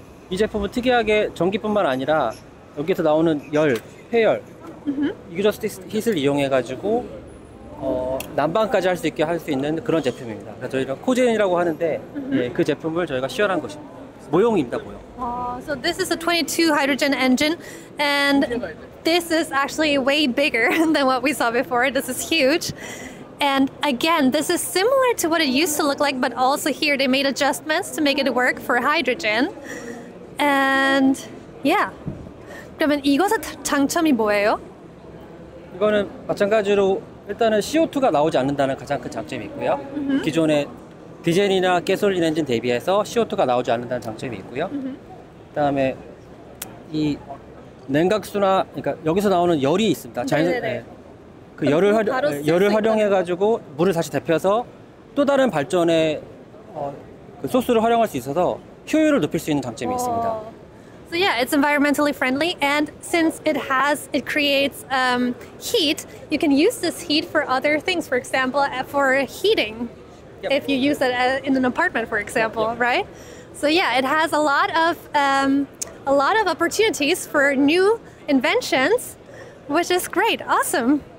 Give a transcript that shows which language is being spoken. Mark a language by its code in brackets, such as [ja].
[ko] 이 제품은 특이하게 전기뿐만 아니라 여기서 나오는 열, 폐열, 이그저스틱을 이용해가지고 난방까지 할 수 있게 할 수 있는 그런 제품입니다. 그래서 저희는 코젠이라고 하는데 예, 그 제품을 저희가 시연한 것입니다. 모형입니다, 모형. [en] So this is a 22 hydrogen engine, and this is actually way bigger than what we saw before. This is huge. And again, this is similar to what it used to look like, but also here they made adjustments to make it work for hydrogen. And yeah. [ko] 그러면 이것의 장점이 뭐예요? 이거는 마찬가지로 일단은 CO2가 나오지 않는다는 가장 큰 장점이 있고요. 기존의 디젤이나 가솔린 엔진 대비해서 CO2가 나오지 않는다는 장점이 있고요. 그다음에 이 냉각수나 그러니까 여기서 나오는 열이 있습니다. 네네네. 그 열을 활용해 가지고 물을 다시 데펴서 또 다른 발전의 그 소스를 활용할 수 있어서 효율을 높일 수 있는 장점이 있습니다. [en] So yeah, it's environmentally friendly, and since it creates heat, you can use this heat for other things, for example, for heating, yep. if you use it in an apartment, for example, yep. right? So yeah, it has a lot of opportunities for new inventions, which is great. Awesome.